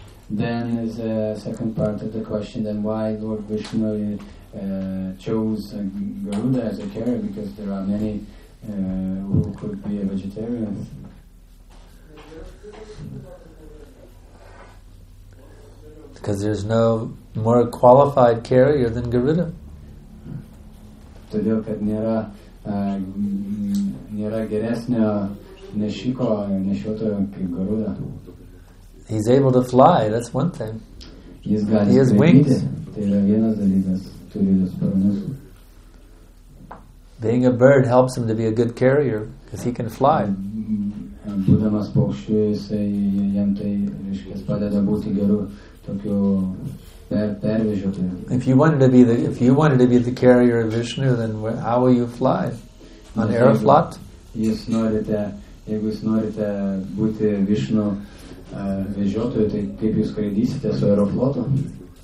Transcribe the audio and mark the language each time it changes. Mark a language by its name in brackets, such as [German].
[English] Then is the second part of the question, then why Lord Vishnu chose Garuda as a carrier, because there are many who could be a vegetarian. Because there's no more qualified carrier than Garuda. [Lithuanian] Todėl, kad nėra geresnio nešiko, nešiotojo kaip Garuda. [English] He's able to fly, that's one thing. [Lithuanian] Jis gali skraidyti. [English] He has wings. [Lithuanian] Tai yra vienas dalykas, turi du sparnus. [English] Being a bird helps him to be a good carrier, because he can fly. [Lithuanian] Būdamas paukščiu, jam tai, reiškia, padeda būti geru tokiu pervežiotoju. [English] If you wanted to be the carrier of Vishnu, then how will you fly? On Aeroflot? [Lithuanian] Jeigu jūs norite būti Vishnu vežiotoju, tai kaip jūs skraidysite su Aeroflotu?